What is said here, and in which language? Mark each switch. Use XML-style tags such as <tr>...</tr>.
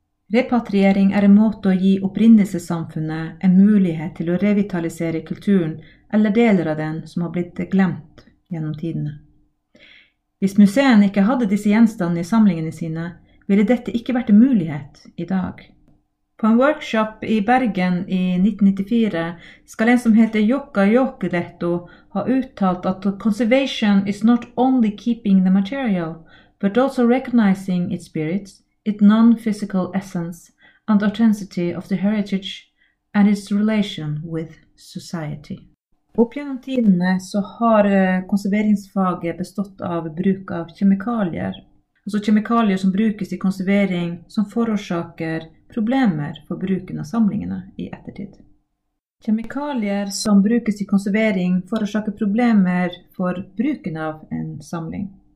<no>Repatriering er en måte å gi opprinnelsessamfunnet en mulighet til å revitalisere kulturen eller deler av den som har blitt glemt gjennom tidene. Hvis museene ikke hadde disse gjenstandene i samlingene sine, ville dette ikke vært en mulighet i dag. På en workshop i Bergen i 1994 skal en som heter Jokka Jokiletto ha uttalt at</no> <en>conservation is not only keeping the material, but also recognizing its spirits, its non-physical essence and authenticity of the heritage and its relation with society.</en> <no>Opp gjennom tidene så har konserveringsfaget bestått av bruk av kjemikalier. Altså kjemikalier som brukes i konservering som forårsaker problemer for bruken av samlingene i ettertid. Kjemikalier som brukes i konservering forårsaker problemer for bruken av en samling.</no>